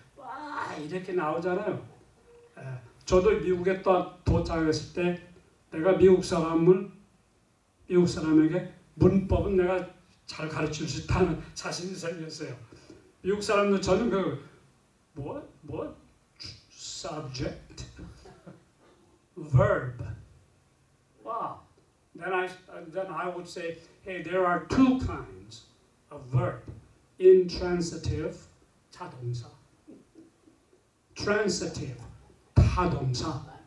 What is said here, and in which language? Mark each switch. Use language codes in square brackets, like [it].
[ko] 와 이렇게 나오잖아요. 예, 저도 미국에 또 도착했을 때 내가 미국 사람을 미국 사람에게 문법은 내가 잘 가르칠 수 있다는 자신이 생겼어요. 미국 사람도 저는 그 뭐 subject verb. [en] Wow. Then I would say, hey, there are two kinds of verb. Intransitive [ko] 자동사, [en] transitive [ko] 타동사.